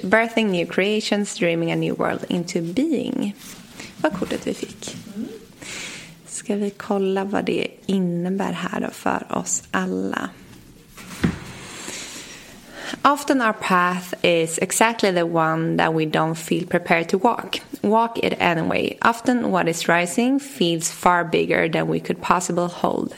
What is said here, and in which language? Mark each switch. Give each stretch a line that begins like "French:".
English: Birthing new creations, dreaming a new world into being.
Swedish: Vad kortet vi fick. Ska vi kolla vad det innebär här då för oss alla.
English: Often our path is exactly the one that we don't feel prepared to walk. Walk it anyway. Often what is rising feels far bigger than we could possibly hold.